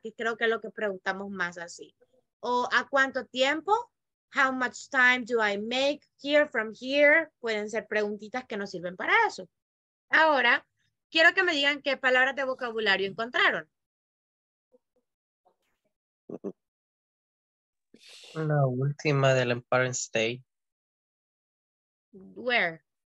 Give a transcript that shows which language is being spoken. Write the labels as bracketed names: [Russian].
[Spanish] Que creo que es lo que preguntamos más así. ¿O a cuánto tiempo? [English] How much time do I make here from here? [Spanish] Pueden ser preguntitas que nos sirven para eso. Ahora, quiero que me digan qué palabras de vocabulario encontraron. La última del Empire State. [English] Where?